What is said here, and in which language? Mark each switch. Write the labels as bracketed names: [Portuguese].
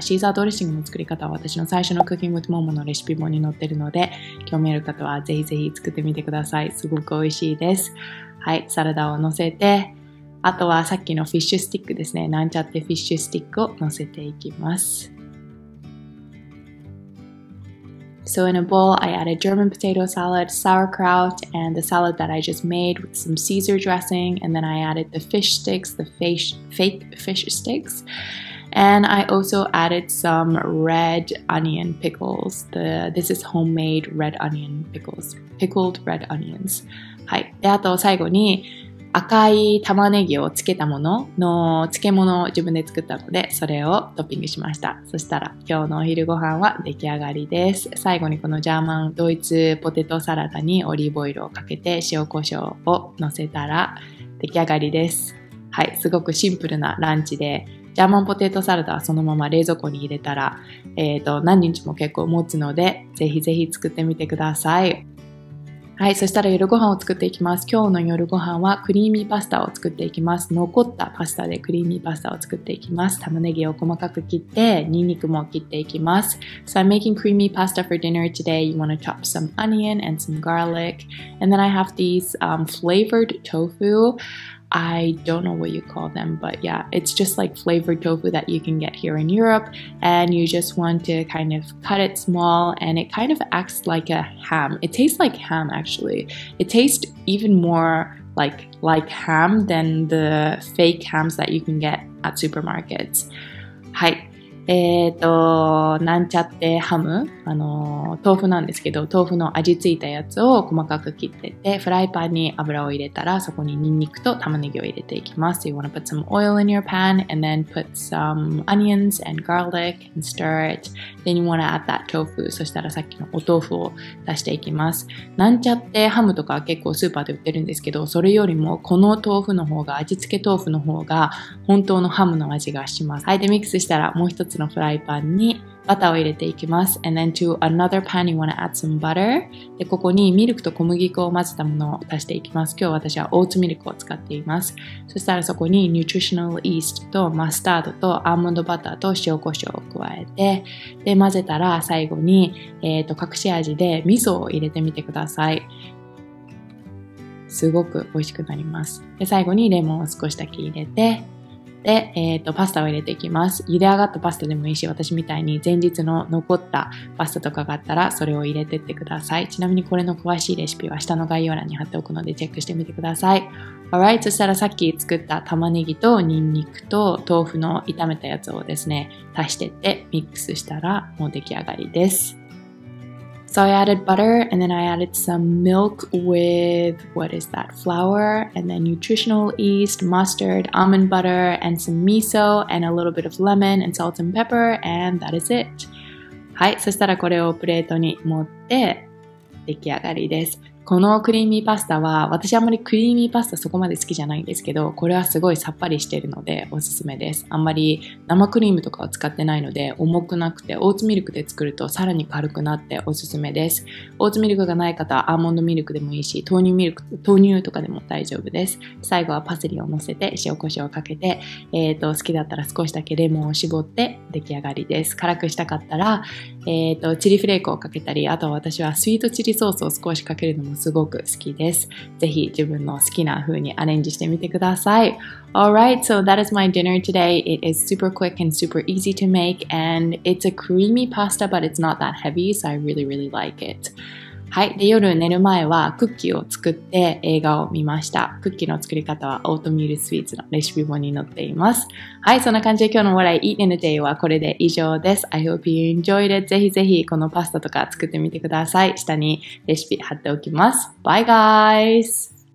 [Japanese] シーザードレッシングの作り方は私の最初のクッキングウィズモモのレシピ本に載ってるので、興味ある方はぜひぜひ作ってみてください。すごく美味しいです。はい、サラダを乗せて、あとはさっきのフィッシュスティックですね。なんちゃってフィッシュスティックを乗せていきます。 [English] So in a bowl, I added German potato salad, sauerkraut, and the salad that I just made with some Caesar dressing, and then I added the fish sticks, the fake fish sticks. And I also added some red onion pickles. This is homemade red onion pickles, pickled red onions. [Japanese] はい、であと最後に赤い玉ねぎをつけたものの漬物を自分で作ったので、それをトッピングしました。そしたら今日のお昼ご飯は出来上がりです。最後にこのジャーマンドイツポテトサラダにオリーブオイルをかけて塩コショウをのせたら出来上がりです。はい、すごくシンプルなランチで、ジャーマンポテトサラダはそのまま冷蔵庫に入れたら、何日も結構持つので、ぜひぜひ作ってみてください。はい、そしたら夜ご飯を作っていきます。今日の夜ご飯はクリーミーパスタを作っていきます。残ったパスタでクリーミーパスタを作っていきます。玉ねぎを細かく切って、ニンニクも切っていきます。 [English] So I'm making creamy pasta for dinner today. You want to chop some onion and some garlic, and then I have these flavored tofu. I don't know what you call them, but yeah, it's just like flavored tofu that you can get here in Europe, and you just want to kind of cut it small, and it kind of acts like a ham. It tastes like ham, actually. It tastes even more like ham than the fake hams that you can get at supermarkets. Hi. [Japanese] なんちゃってハム、豆腐なんですけど、豆腐の味付いたやつを細かく切ってて、フライパンに油を入れたら、そこにニンニクと玉ねぎを入れていきます。 [English] You want to put some oil in your pan and then put some onions and garlic and stir it. Then you want to add that tofu. [Japanese] そしたらさっきのお豆腐を出していきます。なんちゃってハムとか結構スーパーで売ってるんですけど、それよりもこの豆腐の方が、味付け豆腐の方が本当のハムの味がします。はい、でミックスしたらもう一つ。のフライパンにバターを入れていきます。 [English] And then to another pan you want to add some butter. [Japanese] でここにミルクと小麦粉を混ぜたものを足していきます。今日私はオーツミルクを使っています。そしたらそこにニューチュリショナルイーストとマスタードとアーモンドバターと塩コショウを加えて、で混ぜたら最後に、隠し味で味噌を入れてみてください。すごく美味しくなります。で最後にレモンを少しだけ入れて、で、パスタを入れていきます。茹で上がったパスタでもいいし、私みたいに前日の残ったパスタとかがあったら、それを入れてってください。ちなみにこれの詳しいレシピは下の概要欄に貼っておくので、チェックしてみてください。 [English] Alright, [Japanese] そしたらさっき作った玉ねぎとニンニクと豆腐の炒めたやつをですね、足してってミックスしたら、もう出来上がりです。 [English] So I added butter and then I added some milk with, what is that, flour and then nutritional yeast, mustard, almond butter and some miso and a little bit of lemon and salt and pepper and that is it. [Japanese] はい、そしたらこれをプレートに持って出来上がりです。このクリーミーパスタは、私あまりクリーミーパスタそこまで好きじゃないんですけど、これはすごいさっぱりしているのでおすすめです。あんまり生クリームとかを使ってないので、重くなくてオーツミルクで作るとさらに軽くなっておすすめです。オーツミルクがない方はアーモンドミルクでもいいし、豆乳とかでも大丈夫です。最後はパセリを乗せて塩コショウをかけて、好きだったら少しだけレモンを絞って出来上がりです。辛くしたかったら、チリフレークをかけたり、あと私はスイートチリソースを少しかけるのもすごく好きです。ぜひ自分の好きな風にアレンジしてみてください。 [English] Alright, so that is my dinner today. It is super quick and super easy to make, and it's a creamy pasta, but it's not that heavy, so I really, really like it. [Japanese] はい、で、夜寝る前はクッキーを作って映画を見ました。クッキーの作り方はオートミールスイーツのレシピ本に載っています。はい、そんな感じで今日の [English] What I Eat in a Day [Japanese] はこれで以上です。 [English] I hope you enjoyed it. [Japanese] ぜひぜひこのパスタとか作ってみてください。下にレシピ貼っておきます。 [English] Bye guys!